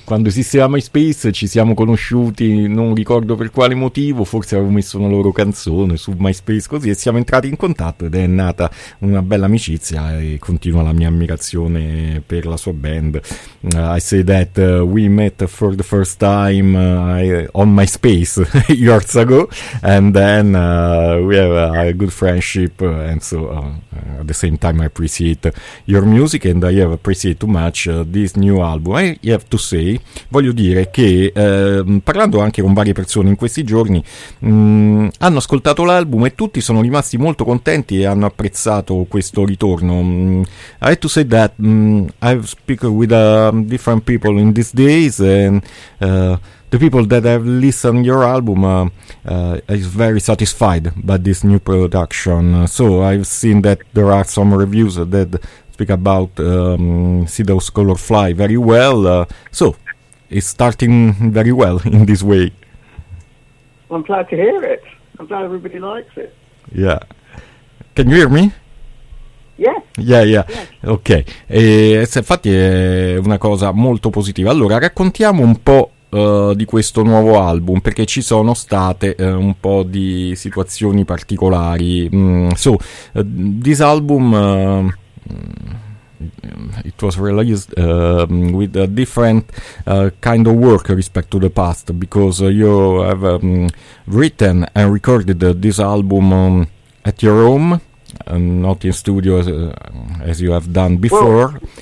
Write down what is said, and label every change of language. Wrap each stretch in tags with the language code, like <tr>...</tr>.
<it>Quando esisteva MySpace ci siamo conosciuti, non ricordo per quale motivo, forse avevo messo una loro canzone su MySpace, così, e siamo entrati in contatto ed è nata una bella amicizia, e continua la mia ammirazione per la sua band.</it> <en>I say that we met for the first time on MySpace years ago, and then we have a good friendship, and so at the same time I appreciate your music and I have appreciated too much this new album. I have to say,</en> <it>voglio dire che parlando anche con varie persone in questi giorni, hanno ascoltato l'album e tutti sono rimasti molto contenti e hanno apprezzato questo ritorno.</it> <en>I have to say that I've spoken with different people in these days, and the people that have listened your album is very satisfied by this new production. So I've seen that there are some reviews that speak about see those color fly very well, so it's starting very well in this way. I'm glad to hear it. I'm glad everybody likes it. Yeah, can you hear me? Yeah.</en> <it>Ok, se infatti è una cosa molto positiva. Allora raccontiamo un po' di questo nuovo album, perché ci sono state un po' di situazioni particolari.</it> <en>So this album, it was released with a different kind of work respect to the past, because you have written and recorded this album at your home, not in studio as you have done before.</en>